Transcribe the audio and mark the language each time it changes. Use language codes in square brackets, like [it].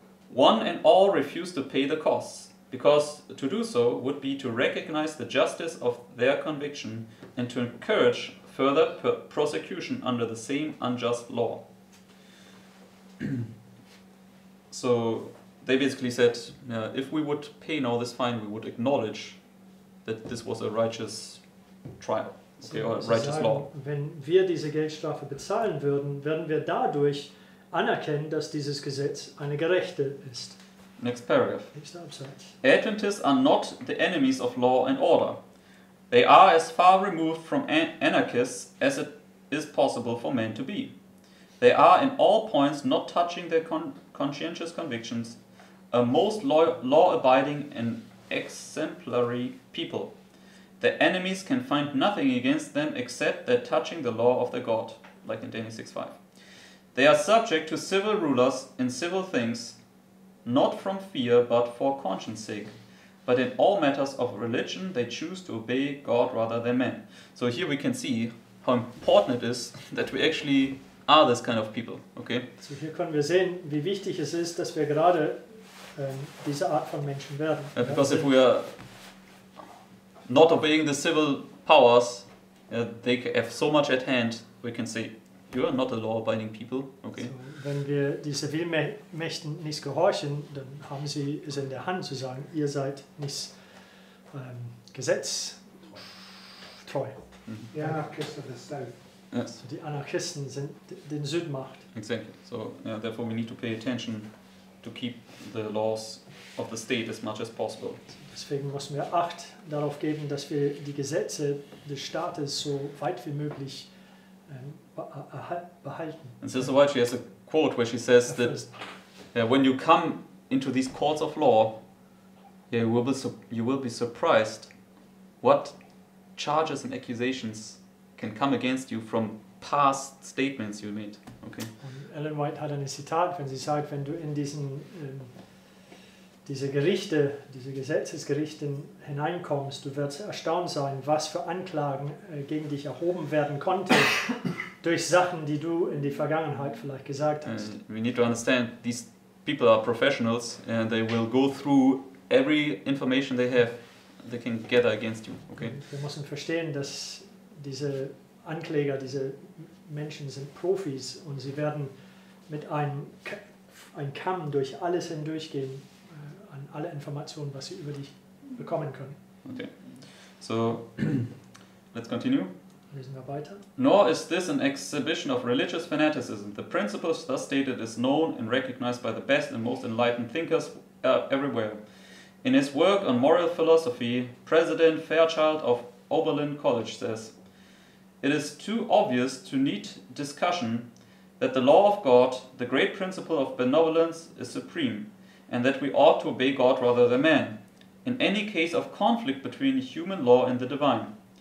[en] One and all refused to pay the costs, because to do so would be to recognize the justice of their conviction and to encourage further prosecution under the same unjust law. So they basically said, if we would pay now this fine, we would acknowledge that this was a righteous trial. Okay, [de] sagen, [en] law. [de] Wenn wir diese Geldstrafe bezahlen würden, werden wir dadurch anerkennen, dass dieses Gesetz eine gerechte ist. [en] Next paragraph. [de] Nächster Absatz. [en] Adventists are not the enemies of law and order. They are as far removed from anarchists as it is possible for men to be. They are in all points not touching their conscientious convictions, a most law-abiding and exemplary people. The enemies can find nothing against them except that touching the law of their God, like in Daniel 6:5. They are subject to civil rulers in civil things, not from fear but for conscience sake, but in all matters of religion they choose to obey God rather than men. So here we can see how important it is that we actually are this kind of people. Okay? So here [de] können wir sehen, wie wichtig es ist, dass wir gerade diese Art von Menschen werden. [en] Because if we are not obeying the civil powers, they have so much at hand, we can say, you are not a law-abiding people, okay? So, [de] wenn wir die Zivilmächten nicht gehorchen, dann haben sie es in der Hand zu sagen, ihr seid nicht gesetztreu. [en] Mm-hmm. The Anarchists of the South. Yes. [de] Die Anarchisten sind den Südmacht. [en] Exactly. So, yeah, therefore we need to pay attention to keep the laws of the state as much as possible. [de] Deswegen müssen wir Acht darauf geben, dass wir die Gesetze des Staates so weit wie möglich behalten. [en] And Sister White, she has a quote where she says that when you come into these courts of law, you will be surprised what charges and accusations can come against you from past statements you made. Okay. [de] Ellen White hat eine Zitat, wenn sie sagt, wenn du in diesen diese Gerichte, diese Gesetzesgerichte hineinkommst, du wirst erstaunt sein, was für Anklagen gegen dich erhoben werden konnte durch Sachen, die du in die Vergangenheit vielleicht gesagt hast. [en] We need to understand, these people are professionals and they will go through every information they have they can gather against you. Okay. [de] Wir müssen verstehen, dass diese Ankläger, diese Menschen sind Profis und sie werden mit einem Kamm durch alles hindurchgehen, an alle Informationen, was sie über dich bekommen können. [en] Okay. So, let's continue. [de] Lesen wir weiter. [en] Nor is this an exhibition of religious fanaticism. The principles thus stated is known and recognized by the best and most enlightened thinkers everywhere. In his work on moral philosophy, President Fairchild of Oberlin College says, it is too obvious to need discussion that the law of God, the great principle of benevolence, is supreme, and that we ought to obey God rather than man, in any case of conflict between human law and the divine.